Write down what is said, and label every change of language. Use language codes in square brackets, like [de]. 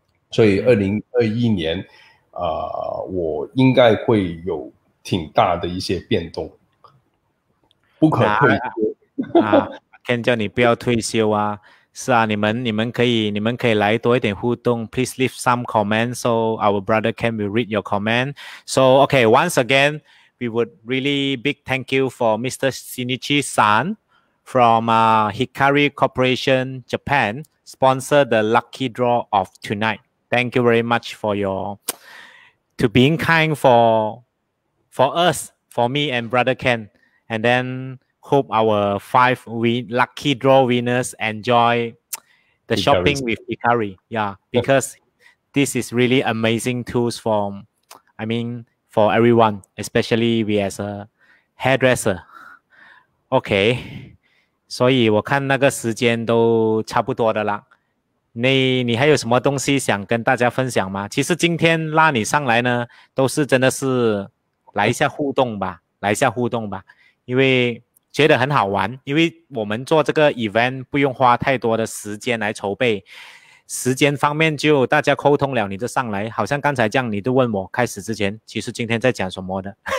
[zh] 所以2021年，我应该会有挺大的一些变动，不可退缩。 Ken 叫你不要退休啊！是啊，你们可以来多一点互动。 [en] Please leave some comments so our brother Ken will read your comment. So okay, once again, we would really big thank you for Mr. Shinichi San. From Hikari Corporation Japan, sponsor the lucky draw of tonight. Thank you very much to being kind for us, for me and Brother Ken. And then hope our five lucky draw winners enjoy the shopping with Hikari. Yeah, because this is really amazing tools for everyone, especially we as a hairdresser. Okay. [zh] 所以我看那个时间都差不多的啦，你还有什么东西想跟大家分享吗？其实今天拉你上来呢，都是真的是来一下互动吧，因为觉得很好玩，因为我们做这个 event 不用花太多的时间来筹备，时间方面就大家沟通了你就上来，好像刚才这样你都问我开始之前其实今天在讲什么的。